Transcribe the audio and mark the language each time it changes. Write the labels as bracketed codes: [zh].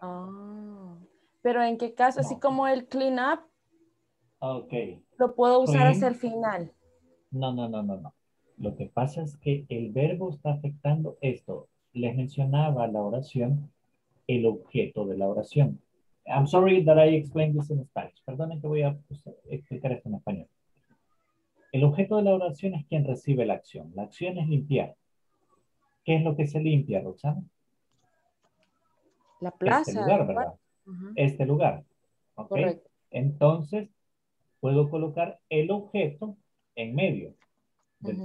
[es] Oh, pero en qué caso, no. Así como el clean up, okay. Lo puedo usar hasta el final. No. Lo que pasa es que el verbo está afectando esto. Les mencionaba la oración, el objeto de la oración. [en] I'm sorry that I explained this in Spanish. [es] Perdonen que voy a explicar esto en español. El objeto de la oración es quien recibe la acción. La acción es limpiar. ¿Qué es lo que se limpia, Roxana? La plaza. Este lugar, ¿verdad? Uh-huh. Este lugar. Okay. Correcto. Entonces, puedo colocar el objeto en medio del uh-huh.